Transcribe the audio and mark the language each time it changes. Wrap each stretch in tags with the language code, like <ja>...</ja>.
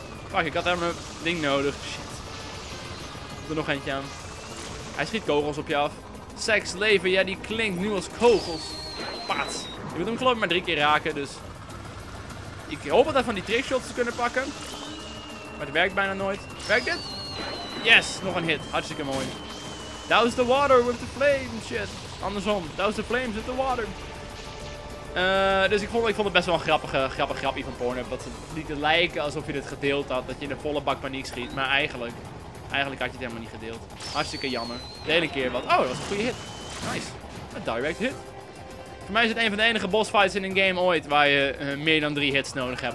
<nl>Fuck, ik had helemaal mijn ding nodig. Shit. Ik doe er nog eentje aan. Hij schiet kogels op je af. Seks, leven, ja, die klinkt nu als kogels. Paat. Je moet hem geloof ik maar 3 keer raken, dus... Ik hoop dat we van die trickshots te kunnen pakken. Maar het werkt bijna nooit. Werkt dit? Yes, nog een hit. Hartstikke mooi.</nl> <en>That was the water with the flame, shit.</en> <nl>Andersom,</nl> <en>that was the flames with the water.</en> <nl>Dus ik vond het best wel een grappig grappie van porno. Dat het liet lijken alsof je dit gedeeld had. Dat je in de volle bak paniek schiet. Maar eigenlijk had je het helemaal niet gedeeld. Hartstikke jammer. De hele keer wat. Oh, dat was een goede hit. Nice. Een direct hit. Voor mij is het een van de enige boss fights in een game ooit waar je meer dan 3 hits nodig hebt.</nl>